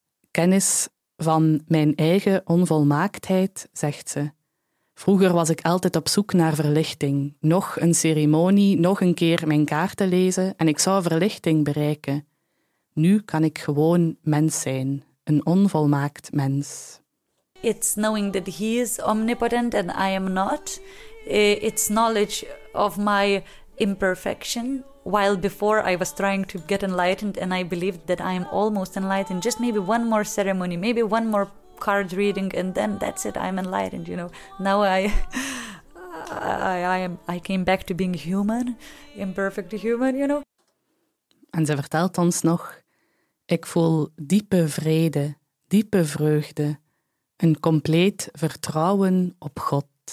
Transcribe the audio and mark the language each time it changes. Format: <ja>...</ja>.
<nl>Kennis van mijn eigen onvolmaaktheid, zegt ze. Vroeger was ik altijd op zoek naar verlichting. Nog een ceremonie, nog een keer mijn kaarten lezen en ik zou verlichting bereiken. Nu kan ik gewoon mens zijn, een onvolmaakt mens.</nl> <en>It's knowing that he is omnipotent and I am not. It's knowledge of my imperfection. While before I was trying to get enlightened and I believed that I am almost enlightened, just maybe one more ceremony, maybe one more card reading and then that's it, I'm enlightened, you know. Now I came back to being human, imperfect human, you know.</en> <nl>En ze vertelt ons nog, ik voel diepe vrede, diepe vreugde, een compleet vertrouwen op God.</nl>